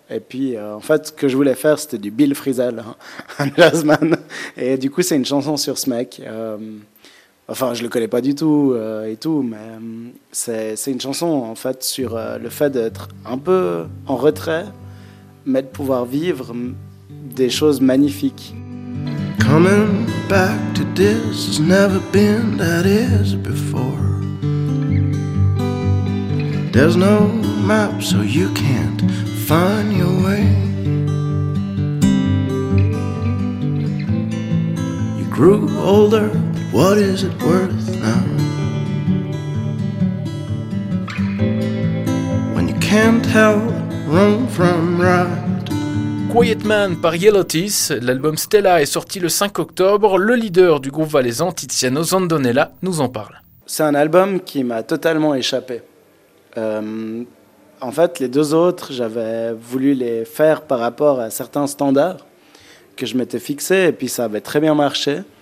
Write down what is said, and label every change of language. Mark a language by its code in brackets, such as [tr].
[fr] Et puis, en fait, ce que je voulais faire, c'était du Bill Frisell, hein, un jazzman. Et du coup, c'est une chanson sur ce mec. Enfin, je le connais pas du tout et tout, mais c'est une chanson en fait sur le fait d'être un peu en retrait, mais de pouvoir vivre des choses magnifiques. [en] Coming back to this has never been that is before. There's no map so you can't find your way. You grew older. What is it worth now? When you can't tell wrong from right. [fr] Quiet Man par Yellow Thieves, l'album Stella est sorti le 5 octobre. Le leader du groupe valaisan Tiziano Zandonella nous en parle. C'est un album qui m'a totalement échappé. En fait, les deux autres, j'avais voulu les faire par rapport à certains standards que je m'étais fixé et puis ça avait très bien marché.